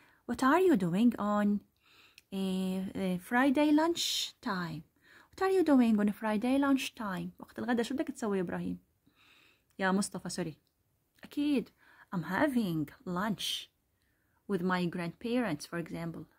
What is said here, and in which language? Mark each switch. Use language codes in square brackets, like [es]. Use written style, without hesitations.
[en] What are you doing on Friday lunch time? What are you doing on Friday lunch time? [ar] وقت الغداء شو بدك تسوي إبراهيم؟ يا مصطفى سوري. أكيد. [en] I'm having lunch with my grandparents, for example.